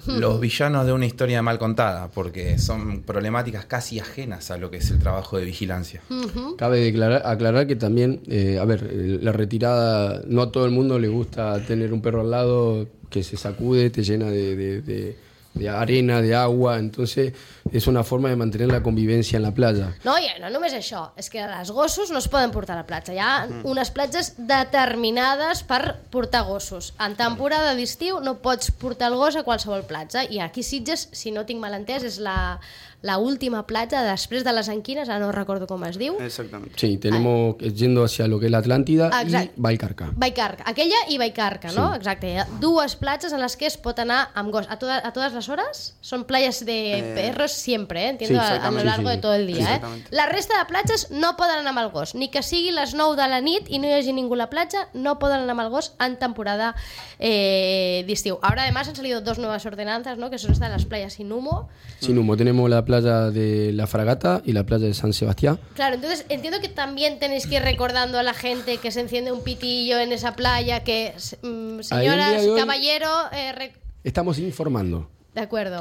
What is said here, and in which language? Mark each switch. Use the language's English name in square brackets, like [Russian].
[Spanish] Los villanos de una historia mal contada, porque son problemáticas casi ajenas a lo que es el trabajo de vigilancia. Uh-huh. Cabe aclarar que también, la retirada, no a todo el mundo le gusta tener un perro al lado que se sacude, te llena de arena, de agua, entonces es una forma de mantener la convivencia en la playa. [Catalan] No, ja, no només això, és que els gossos no es poden portar a la platja. Hi ha unes platges determinades per portar gossos. En temporada d'estiu no pots portar el gos a qualsevol platja, i aquí Sitges, si no tinc mal entès, és la, l'última platja després de les Anquines, ara no recordo com es diu. Exactament. [Spanish] Sí, tenemos yendo hacia lo que es la Atlántida. [Catalan] Exacte. I Vallcarca. Vallcarca, aquella i Vallcarca, sí. No? Exacte, dues platges en les que es pot anar amb gos. A totes les hores són platges [Spanish] de perros [Catalan] sempre, [Spanish] entiendo, [Catalan] sí, [Spanish] a lo largo de [Catalan] tot el dia. La resta de platges no poden anar amb el gos, ni que sigui les 9 de la nit i no hi hagi ningú a la platja, no poden anar amb el gos en temporada d'estiu. Ara, a més, [Spanish] han salido [Catalan] dos noves ordenances, no? Que són les [Spanish] playas sin humo. Sin humo. Tenemos la playa de la Fragata y la playa de San Sebastián. Claro, entonces entiendo que también tenéis que ir recordando a la gente que se enciende un pitillo en esa playa, que señoras, caballero... Estamos informando. De acuerdo.